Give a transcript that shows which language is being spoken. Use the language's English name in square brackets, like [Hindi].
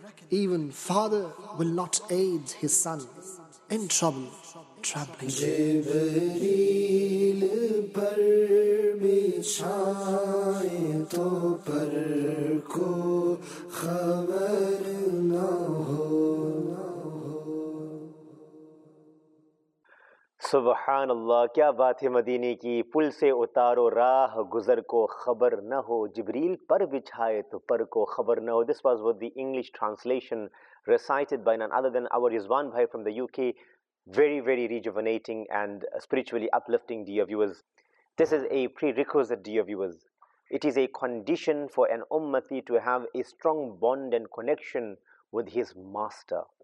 [English] Even father will not aid his son in trouble, trampling. [Urdu] Jibril par bichaye to par ko khabar na ho. سبحان اللہ, کیا بات ہے مدینے کی. پل سے اتارو راہ گزر کو خبر نہ ہو, جبریل پر بچھائے تو پر کو خبر نہ ہو. [English] This was with the English translation recited by none other than our Rizwan bhai from the UK. Very, very rejuvenating and spiritually uplifting, dear viewers. This is a prerequisite, dear viewers. It is a condition for an ummati to have a strong bond and connection with his master.